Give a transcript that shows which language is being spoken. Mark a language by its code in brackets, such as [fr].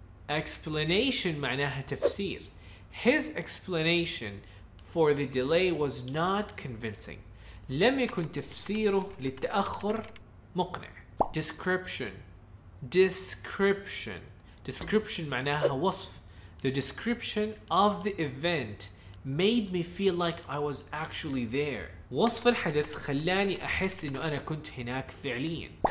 [ar] Explanation معناها تفسير. [en] His explanation for the delay was not convincing. [ar] لم يكن تفسيره للتأخر مقنع. [en] description. [ar] Description معناها وصف. [en] The description of the event made me feel like I was actually there. [ar] وصف الحدث خلاني أحس إنه أنا كنت هناك فعلياً.